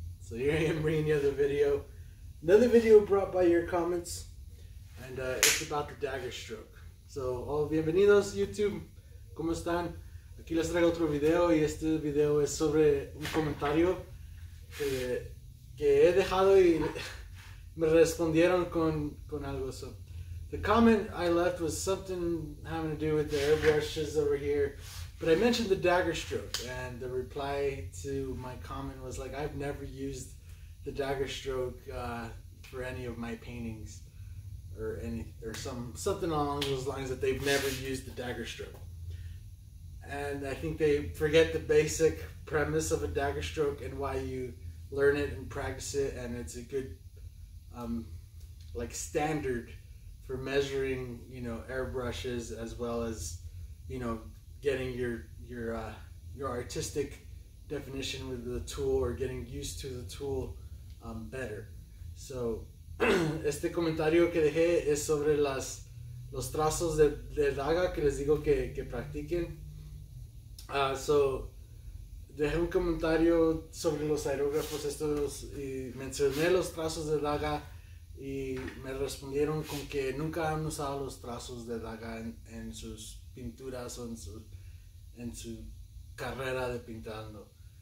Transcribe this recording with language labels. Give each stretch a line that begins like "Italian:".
English: So here I am bringing you another video brought by your comments, and it's about the dagger stroke.
Spanish: So, all bienvenidos YouTube, ¿cómo están? Aquí les traigo otro video, y este video es sobre un comentario que he dejado y me respondieron con algo.
English: So, the comment I left was something having to do with the airbrushes over here. But I mentioned the dagger stroke, and the reply to my comment was like, I've never used the dagger stroke for any of my paintings, or any or something along those lines, that they've never used the dagger stroke. And I think they forget the basic premise of a dagger stroke and why you learn it and practice it, and it's a good standard for measuring, you know, airbrushes, as well as, you know, getting your artistic definition with the tool, or getting used to the tool better.
Spanish: So este comentario que dejé es sobre los trazos de daga que les digo que practiquen. So dejé un comentario sobre los aerógrafos estos y mencioné los trazos de daga, y me respondieron con que nunca han usado los trazos de daga en sus pinturas o en su carrera de pintando.